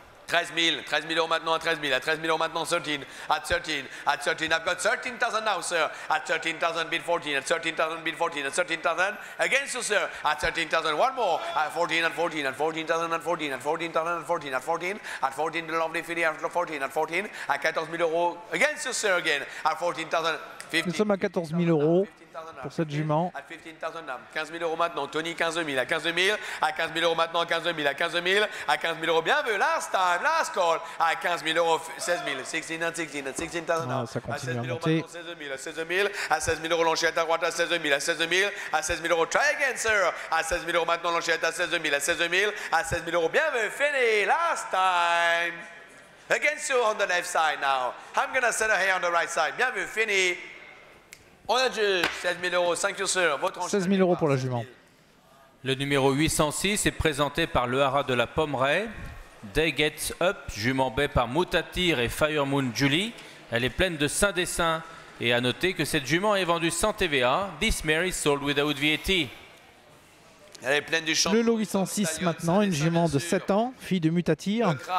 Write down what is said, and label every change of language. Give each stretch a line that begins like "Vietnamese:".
French: 13 000 euros maintenant,
English: à 13 000 euros maintenant, 13, I've got 13,000 now, sir, at 13,000, bid 14, at 13,000, bid 14, at 13,000, against you, sir, at 13,000, one more, at 14, at 14, at 14,000, at 14, at 14,000, at 14, at 14, at 14, the lovely filly, at 14, at 14, at 14,000 euros, against you, sir, again, at 14,000, 15.
French: Nous sommes à 14 000 euros pour cette jument. 15 000 euros maintenant, Tony, 15 000, à 15 000, à 15 000 euros maintenant, 15 000, à 15 000, à 15 000 euros, bienvenue,
English: last time, last call,
French: à 15 000 euros, 16 000, 16 000, ça continue à monter. À 16 000 euros, l'enchère à droite, à 16 000, à 16 000, à 16 000 euros,
English: try again, sir,
French: à 16 000 euros maintenant, l'enchère à 16 000, à 16 000, à 16 000 euros, bienvenue, fini,
English: last time, against you on the left side now, I'm going to set her here on the right side,
French: bienvenue, fini. On a dû 16 000 euros,
English: thank you sir.
French: Votre 16 000 euros pour la jument. Le numéro 806 est présenté par le Hara de la Pommeraye. Day Gets Up, jument bay par Moutatir et Fire Moon Julie. Elle est pleine de saint dessin. Et à noter que cette jument est vendue sans TVA.
English: This mare is sold without VAT.
French: Elle est pleine du champ. Le lot 806 maintenant, une jument de 7 ans, fille de Moutatir.